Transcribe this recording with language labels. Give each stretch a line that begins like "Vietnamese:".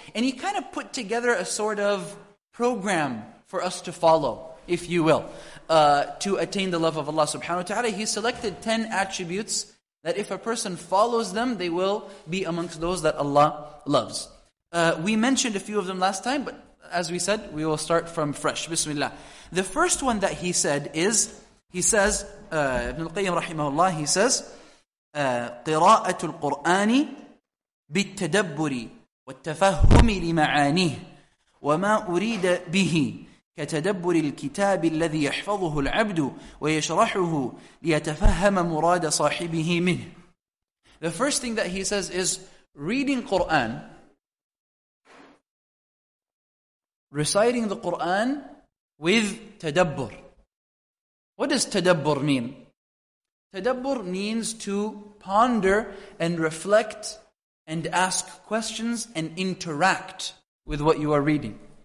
English: And he kind of put together a sort of program for us to follow, if you will, to attain the love of Allah subhanahu wa ta'ala. He selected 10 attributes that if a person follows them, they will be amongst those that Allah loves. We mentioned a few of them last time, but as we said, we will start from fresh. Bismillah. The first one that he said is, he says,
Arabic: Ibn al-Qayyim rahimahullah, he says, قِرَاءَةُ الْقُرْآنِ بِالتَّدَبُّرِ وَالتَّفَهُمِ لِمَعَانِهِ وَمَا أُرِيدَ بِهِ كَتَدَبُّرِ الْكِتَابِ الَّذِي يَحْفَظُهُ الْعَبْدُ وَيَشْرَحُهُ لِيَتَفَهَّمَ مُرَادَ صَاحِبِهِ مِنْهِ.
English: The first thing that he says is, reading Qur'an, reciting the Qur'an with tadabbur. What does tadabbur mean? Tadabbur means to ponder and reflect and ask questions and interact with what you are reading.